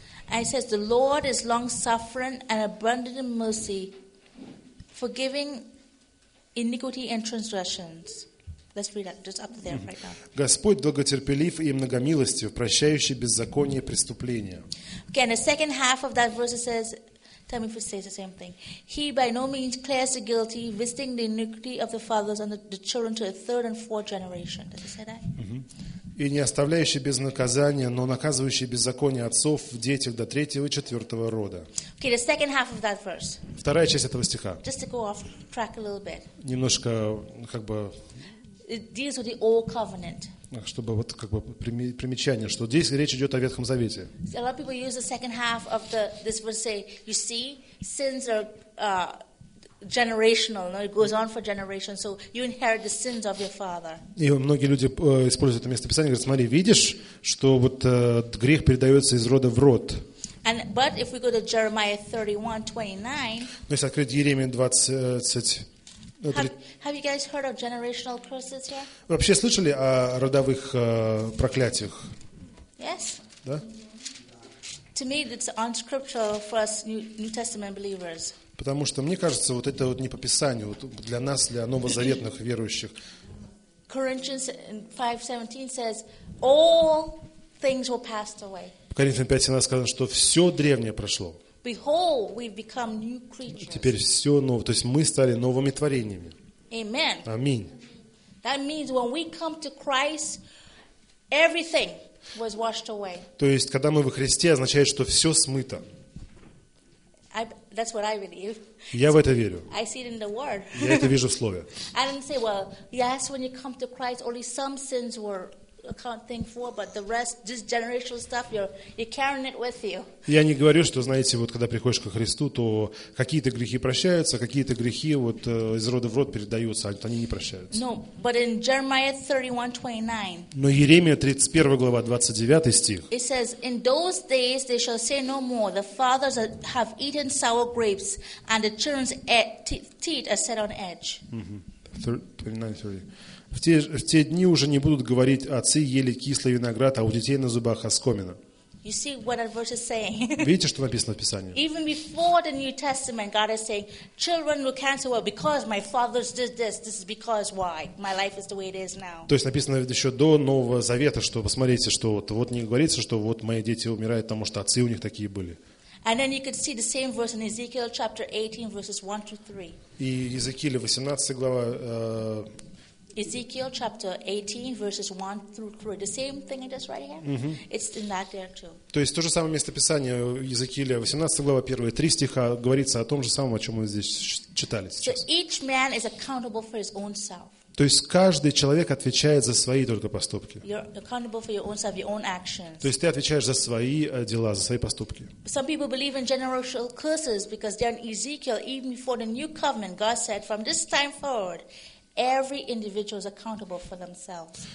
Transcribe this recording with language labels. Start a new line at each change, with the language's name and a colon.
English: And it says, the Lord is long-suffering and abundant in mercy, forgiving iniquity and transgressions. Let's read that just up there right now.
Russian: Господь долготерпелив и многомилостив, прощающий беззаконие и преступления.
English: Okay, and the second half of that verse says, tell me if it says the same thing. He by no means clears the guilty, visiting the iniquity of the fathers and the children to the third and fourth generation. Did it say that?
Russian: И не оставляющий без наказания, но наказывающий беззаконие отцов в детях до третьего и четвертого рода.
English: Okay, the second half of that verse.
Russian: Вторая часть этого стиха.
English: Just to go off track a little bit.
Russian: Немножко, как бы.
English: It deals with the old covenant.
Russian: Чтобы вот как бы примечание, что здесь речь идет о Ветхом Завете.
English: A lot of people use the second half of the this verse say, you see, sins are generational, no, it goes on for generations, so you inherit the sins of your father.
Russian: И многие люди используют это место писания, говорят, смотри, видишь, что вот грех передается из рода в род.
English: And but if we go to Jeremiah 31:29.
Russian: Но если открыть Иеремия 20,
English: Have you guys heard of generational curses here?
Russian: Вообще слышали о родовых проклятиях?
English: Yes.
Russian: Да?
English: To me, it's unscriptural for us New Testament believers.
Russian: Потому что мне кажется, вот это вот не по Писанию, вот для нас, для новозаветных верующих.
English: Corinthians 5:17 says, "All things will pass away."
Russian: Коринфян 5:17 сказано, что все древнее прошло.
English: Behold, we've become new creatures.
Russian: Теперь все новое, то есть мы стали новыми творениями.
English: Amen.
Russian: Аминь.
English: That means when we come to Christ, everything was washed away.
Russian: То есть когда мы во Христе, означает, что все смыто.
English: That's what I believe.
Russian: Я в это верю.
English: I see it in the Word.
Russian: Я это вижу в Слове.
English: I didn't say, well, yes, when you come to Christ, only some sins were accounting for, but the rest, this generational stuff, you're carrying it with you.
Russian: Я не говорю, что, знаете, вот когда приходишь ко Христу, то какие-то грехи прощаются, какие-то грехи вот из рода в род передаются, а они не прощаются.
English: No, but in Jeremiah 31:29.
Russian: Но Иеремия 31 глава 29 стих.
English: It says, "In those days they shall say no more, the fathers have eaten sour grapes, and the children's teeth are set on edge." 29:30.
Russian: В те дни уже не будут говорить, отцы ели кислый виноград, а у детей на зубах оскомина.
English: You see what that verse is saying.
Russian: Видите, что написано в Писании?
English: Even before the New Testament, God is saying, children will cancel well because my fathers did this. This is because why my life is the way it is now.
Russian: То есть написано еще до Нового Завета, что посмотрите, что вот не говорится, что вот мои дети умирают, потому что отцы у них такие были.
English: And then you could see the same verse in Ezekiel chapter 18, verses 1 to 3.
Russian: И Иезекииле 18 глава.
English: Ezekiel chapter 18 verses 1 through 3. The same thing it is right here. It's in that there too.
Russian: То есть то же самое местописание Иезекииля 18 глава 1 3 стиха говорится о том же самом, о чем мы здесь читали сейчас.
English: So each man is accountable for his own self.
Russian: То есть каждый человек отвечает за свои только поступки.
English: You're accountable for your own self, your own actions.
Russian: То есть ты отвечаешь за свои дела, за свои поступки.
English: Some people believe in generational curses because there in Ezekiel, even before the new covenant, God said from this time forward, every individual is accountable for themselves.